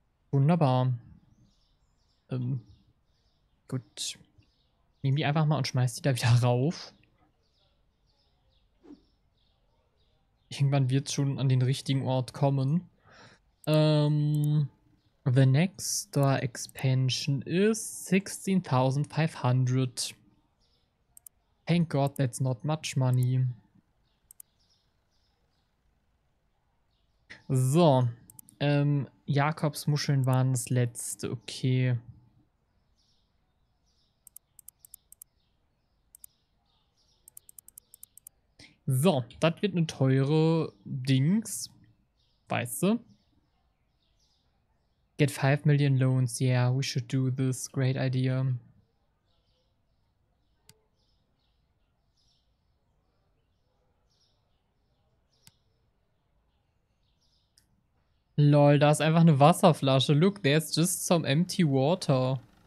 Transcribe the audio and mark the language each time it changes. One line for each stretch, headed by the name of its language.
German: Wunderbar. Gut. Nehm die einfach mal und schmeiß die da wieder rauf. Irgendwann wird es schon an den richtigen Ort kommen.
English: The next store expansion is 16.500. Thank God, that's not much money.
German: So, Jakobsmuscheln waren das letzte, okay. So, das wird eine teure Dings, weißt du?
English: Get 5 million loans, yeah, we should do this, great idea.
German: Lol, da ist einfach eine Wasserflasche.
English: Look, there's just some empty water.